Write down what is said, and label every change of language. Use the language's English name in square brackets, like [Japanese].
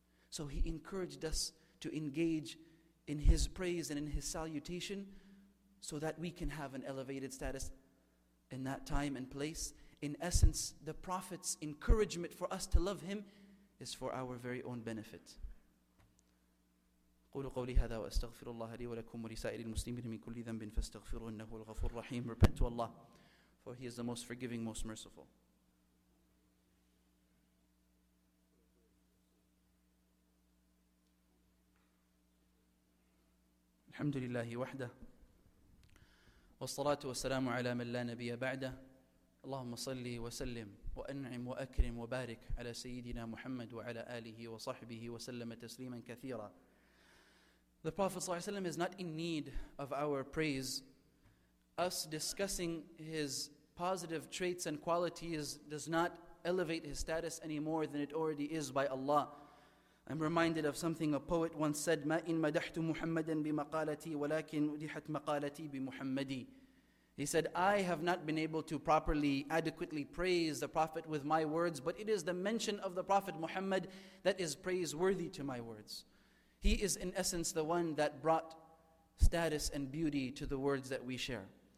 [English] So he encouraged us to engage in his praise and in his salutation so that we can have an elevated status in that time and place. In essence, the Prophet's encouragement for us to love him is for our very own benefit. [Arabic] قولوا قولي هذا واستغفر الله لي ولكم ولسائر المسلمين من كل ذنب فاستغفروه إنه الغفور الرحيم. [English] Repent to Allah, for He is the most forgiving, most merciful. [Arabic] الحمد لله وحده والصلاة والسلام على من لا نبي بعده اللهم صلي وسلم وأنعم وأكرم وبارك على سيدنا محمد وعلى آله وصحبه وسلم تسليما كثيرا. [English] The Prophet صلى الله عليه وسلم is not in need of our praise. Us discussing his positive traits and qualities does not elevate his status any more than it already is by Allah. I'm reminded of something a poet once said, [Arabic] "ما إن مدحت محمدا بمقالتي ولكن مدحت مقالتي بمحمدي." [English] He said, "I have not been able to properly, adequately praise the Prophet with my words, but it is the mention of the Prophet Muhammad that is praiseworthy to my words." He is in essence the one that brought status and beauty to the words that we share.